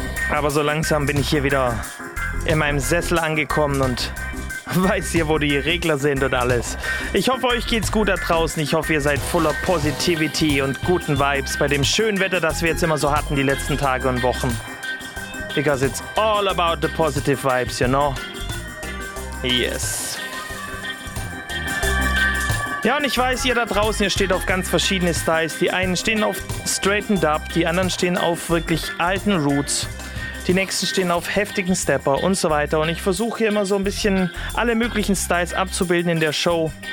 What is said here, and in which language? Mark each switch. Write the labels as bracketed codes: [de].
[de] Aber so langsam bin ich hier wieder in meinem Sessel angekommen und weiß hier, wo die Regler sind und alles. Ich hoffe, euch geht's gut da draußen. Ich hoffe, ihr seid voller Positivity und guten Vibes bei dem schönen Wetter, das wir jetzt immer so hatten die letzten Tage und Wochen. [en] Because it's all about the positive vibes, you know? Yes. [de] Ja, und ich weiß, ihr da draußen, ihr steht auf ganz verschiedene Styles. Die einen stehen auf straightened up, die anderen stehen auf wirklich alten Roots. Die nächsten stehen auf heftigen Stepper und so weiter. Und ich versuche hier immer so ein bisschen alle möglichen Styles abzubilden in der Show.